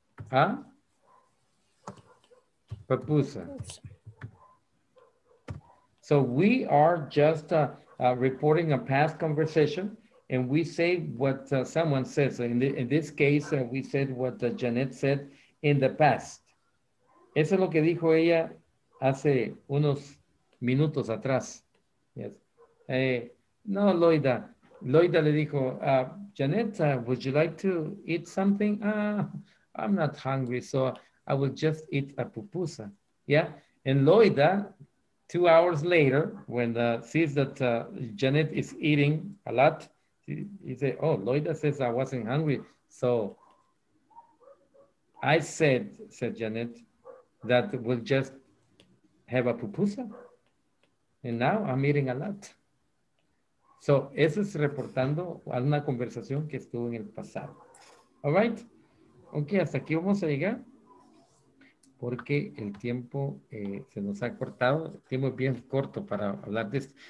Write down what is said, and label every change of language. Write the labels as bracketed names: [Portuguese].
[English] A pupusa. So, we are just reporting a past conversation. And we say what someone says. So in this case, we said what Janet said in the past. [Spanish] Eso es lo que dijo ella hace unos minutos atrás. [English] Yes. No, Loida. Loida [Spanish] le dijo, [English] Janet, would you like to eat something? I'm not hungry, so I will just eat a pupusa. Yeah. And Loida, 2 hours later, when sees that Janet is eating a lot, he said, oh, Loida says I wasn't hungry. So I said Janet, that we'll just have a pupusa. And now I'm eating a lot. [Spanish] So eso es reportando a una conversación que estuvo en el pasado. [English] All right. [Spanish] Ok, hasta aquí vamos a llegar. Porque el tiempo se nos ha cortado. El tiempo es bien corto para hablar de esto.